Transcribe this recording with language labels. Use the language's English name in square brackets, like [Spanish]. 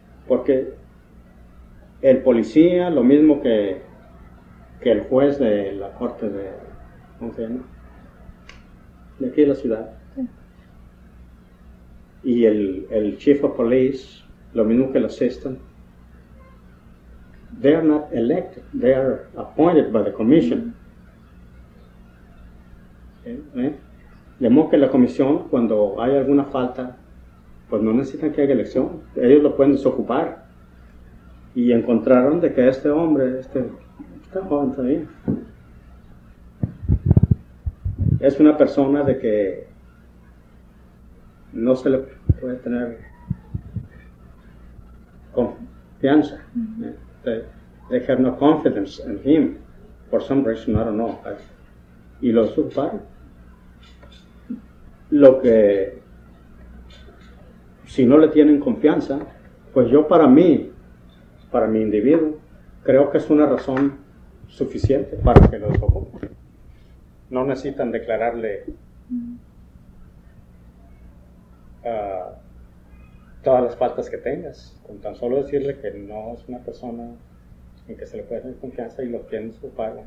[Spanish] Porque el policía, lo mismo que el juez de la corte de, ¿cómo se llama? De aquí de la ciudad. Sí. Y el chief of police, lo mismo que el assistant. [English] They are not elected, they are appointed by the commission. Mm-hmm. ¿Eh? [Spanish] De modo que la comisión, cuando hay alguna falta, pues no necesitan que haya elección, ellos lo pueden desocupar. Y encontraron de que este hombre, este joven todavía, es una persona de que no se le puede tener confianza. Mm-hmm. ¿Eh? [English] They have no confidence in him, for some reason, I don't know. [Spanish] Y lo desocuparon. Lo que, si no le tienen confianza, pues yo para mi individuo, creo que es una razón suficiente para que lo desocupen. No necesitan declararle todas las faltas que tengas, con tan solo decirle que no es una persona en que se le puede tener confianza y lo quieren ocupar.